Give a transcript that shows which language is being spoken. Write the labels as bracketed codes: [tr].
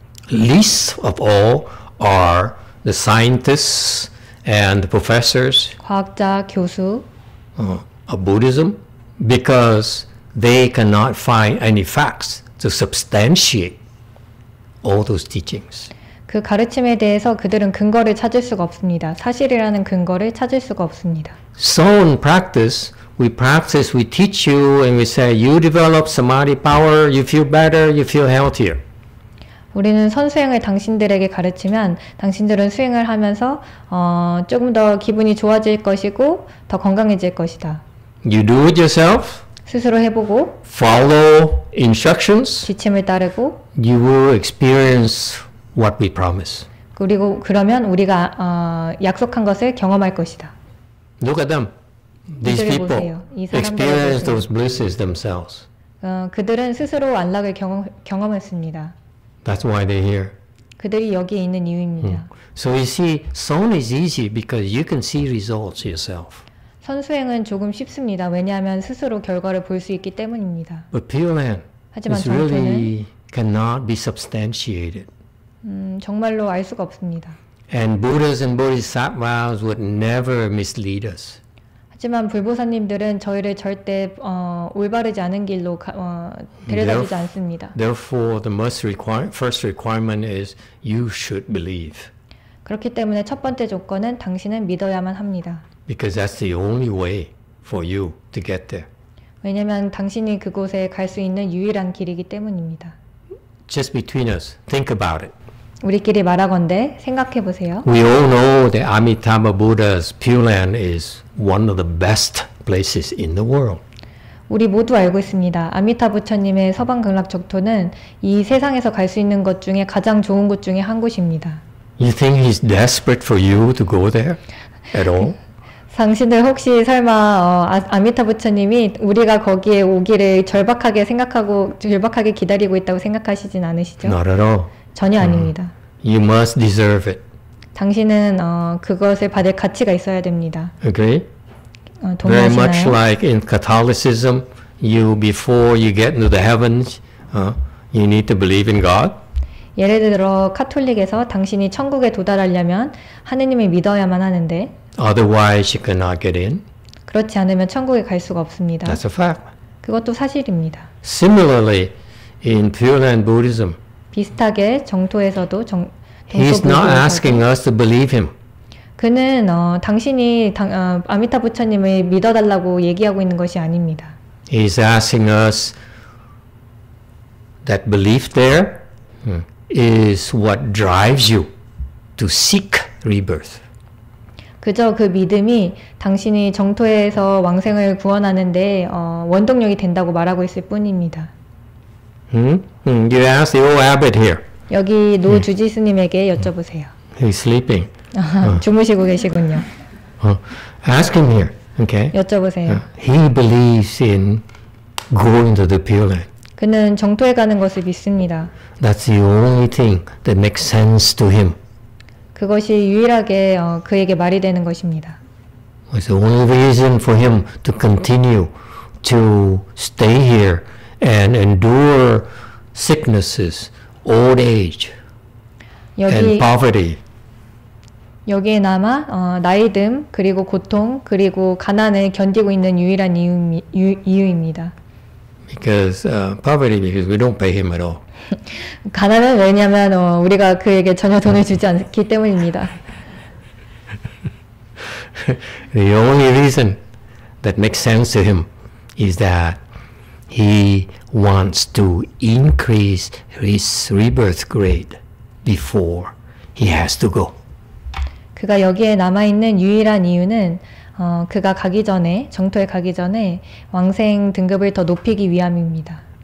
[en] Least of all are the scientists and the professors. [ko] 과학자, 교수. [en] Of Buddhism, because they cannot find any facts to substantiate all those teachings. [ko] 그 가르침에 대해서 그들은 근거를 찾을 수가 없습니다. 사실이라는 근거를 찾을 수가 없습니다. [en] So in practice, we practice, we teach you, and we say you develop samadhi power, you feel better, you feel healthier. [ko] 우리는 선수행을 당신들에게 가르치면 당신들은 수행을 하면서 조금 더 기분이 좋아질 것이고 더 건강해질 것이다. [en] You do it yourself. [ko] 스스로 해보고 [en] follow instructions [ko] 지침을 따르고 [en] you will experience what we promise [ko] 그리고 그러면 우리가 약속한 것을 경험할 것이다. [en] Look at them. These people [ko] 보세요. [en] experience those blisses themselves. [ko] 그들은 스스로 안락을 경험했습니다. [en] That's why they're here. [ko] 그들이 여기에 있는 이유입니다. [en] So you see, Son is easy because you can see results yourself. [ko] 선수행은 조금 쉽습니다. 왜냐하면 스스로 결과를 볼 수 있기 때문입니다. [en] But Pure Land [ko] 하지만 [en] really cannot be substantiated. [ko] 정말로 알 수가 없습니다. [en] And Buddhas and Bodhisattvas would never mislead us. [ko] 하지만 불보사님들은 저희를 절대 올바르지 않은 길로 데려다주지 않습니다. [en] Therefore, the first requirement is you should believe. [ko] 그렇기 때문에 첫 번째 조건은 당신은 믿어야만 합니다. [en] Because that's the only way for you to get there. [ko] 왜냐면 당신이 그곳에 갈 수 있는 유일한 길이기 때문입니다. [en] Just between us, think about it. [ko] 우리끼리 말하건대 생각해 보세요. [en] We all know that Amitabha Buddha's Pure Land is one of the best places in the world. [ko] 우리 모두 알고 있습니다. 아미타 부처님의 서방 극락 적토는 이 세상에서 갈 수 있는 곳 중에 가장 좋은 곳 중에 한 곳입니다. [en] You think he's desperate for you to go there at all? [ko] 당신들 혹시 설마 아미타 부처님이 우리가 거기에 오기를 절박하게 기다리고 있다고 생각하시진 않으시죠? [en] Not at all. [ko] 전혀 아닙니다. [en] You must deserve it. [ko] 당신은 그것을 받을 가치가 있어야 됩니다. [en] Agree? [ko] 동의하시나요? [en] Very much like in Catholicism, you before you get into the heavens, you need to believe in God. [ko] 예를 들어 카톨릭에서 당신이 천국에 도달하려면 하느님을 믿어야만 하는데. [en] Otherwise, you cannot get in. [ko] 그렇지 않으면 천국에 갈 수가 없습니다. [en] That's a fact. [ko] 그것도 사실입니다. [en] Similarly, in Pure Land Buddhism. [ko] 비슷하게 정토에서도 정 [en] He's not asking us to believe him. [ko] 그는 당신이 아미타 부처님을 믿어달라고 얘기하고 있는 것이 아닙니다. [en] He's asking us that belief there is what drives you to seek rebirth. [ko] 그저 그 믿음이 당신이 정토에서 왕생을 구원하는데 원동력이 된다고 말하고 있을 뿐입니다. [en] You ask the old abbot here. [ko] 여기 노 주지스님에게 여쭤보세요. [en] He's sleeping. [ko] 주무시고 계시군요. [en] Ask him here, okay? [ko] 여쭤보세요. [en] He believes in going to the Pure Land. [ko] 그는 정토에 가는 것을 믿습니다. [en] That's the only thing that makes sense to him. [ko] 그것이 유일하게 그에게 말이 되는 것입니다. [en] It's the only reason for him to continue to stay here and endure sicknesses, old age, [ko] 여기, [en] and poverty. [ko] 여기에 남아 나이듦 그리고 고통 그리고 가난을 견디고 있는 유일한 이유입니다. [en] Because poverty, because we don't pay him at all. [ko] 가난은 왜냐면 우리가 그에게 전혀 돈을 주지 않기 때문입니다. [en] The only reason that makes sense to him is that he wants to increase his rebirth grade before he has to go. [ko] 그가 여기에 남아 있는 유일한 이유는 그가 가기 전에 정토에 가기 전에 왕생 등급을 더 높이기 위함입니다.